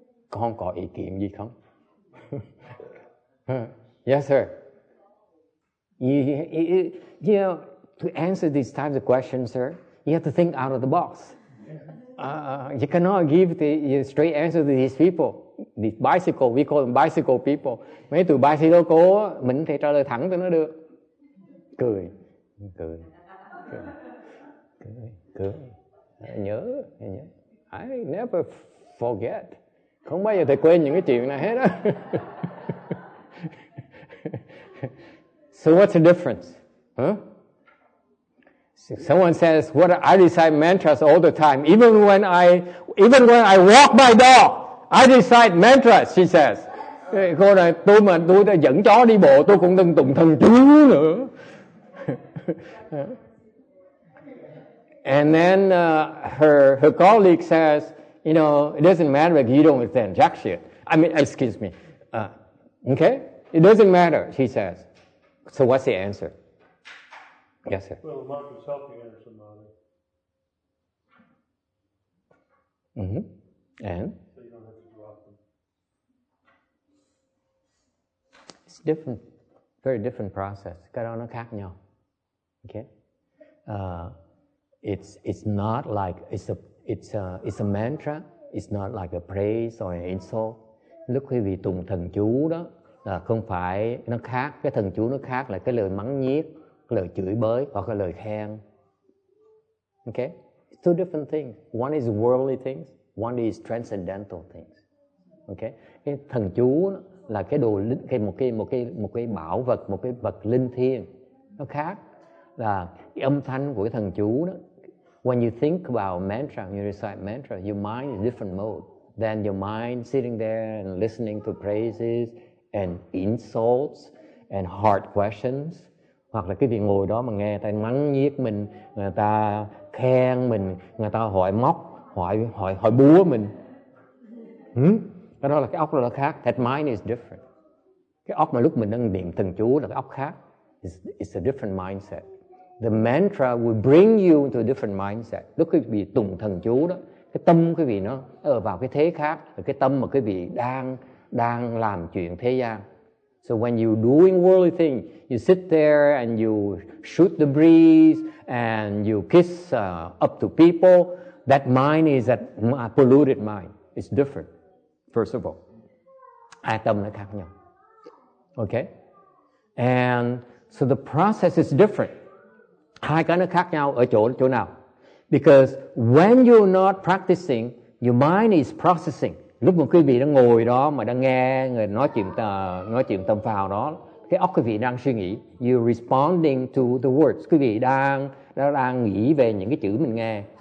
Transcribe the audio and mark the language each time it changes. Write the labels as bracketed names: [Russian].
[Vietnamese] Con có ý kiến gì không? [English] Yes, sir. You know, to answer these types of questions, sir, you have to think out of the box. You cannot give the straight answer to these people. These bicycle, we call them bicycle people. [Vietnamese] Mấy tụi bicycle cô, mình thể trả lời thẳng cho nó được. Cười, cười, cười, cười, cười. Nhớ, nhớ. [English] I never forget. [Vietnamese] Không bao giờ thầy quên những cái chuyện này hết á. [English] So what's the difference? Huh? Someone says, "What I recite mantras all the time, even when I walk my dog, I recite mantras." She says, [Vietnamese] "Cô này, tôi mà tôi đã dẫn chó đi bộ, tôi cũng đừng tụng thần chú nữa." [English] And then her colleague says, "You know, it doesn't matter if you don't understand jack shit. I mean, excuse me. Okay, it doesn't matter." She says. So what's the answer? Yes, sir. Well, the mantra is helping enter samadhi. Mm-hmm. And? So you don't have to drop them. It's different. Very different process. Got on a khác nhau. Okay? It's not like, it's a mantra. It's not like a praise or an insult. [Vietnamese] Lúc khi vị tụng thần chú đó, không phải nó khác, cái thần chú nó khác là cái lời mắng nhiếc, cái lời chửi bới hoặc cái lời khen. [English] Okay? Two different things. One is worldly things, one is transcendental things. Okay? [Vietnamese] Cái thần chú là cái đồ linh, một cái bảo vật, một cái vật linh thiêng. Nó khác là cái âm thanh của cái thần chú đó. [English] When you think about mantra, when you recite mantra, your mind is different mode than your mind sitting there and listening to praises and insults and hard questions. [Vietnamese] Hoặc là cái việc ngồi đó mà nghe ta mắng nhiếc mình, người ta khen mình, người ta hỏi móc, hỏi búa mình. Cái đó là cái óc nó khác. [English] That mind is different. [Vietnamese] Cái óc mà lúc mình đang niệm thần chú là cái óc khác. [English] It's a different mindset. The mantra will bring you into a different mindset. [Vietnamese] Lúc cái vị tụng thần chú đó, cái tâm cái vị nó ở vào cái thế khác, cái tâm mà cái vị đang làm chuyện thế gian. [English] So when you doing worldly thing, you sit there and you shoot the breeze and you kiss up to people, that mind is a polluted mind. It's different, first of all. [Vietnamese] Hai tâm nó khác nhau. [English] Okay? And so the process is different. [Vietnamese] Hai cái nó khác nhau ở chỗ nào? [English] Because when you're not practicing, your mind is processing. [Vietnamese] Lúc mà quý vị đang ngồi đó mà đang nghe người nói chuyện tâm phào đó, cái óc quý vị đang suy nghĩ. [English] You're responding to the words. [Vietnamese] Quý vị đang nghĩ về những cái chữ mình nghe.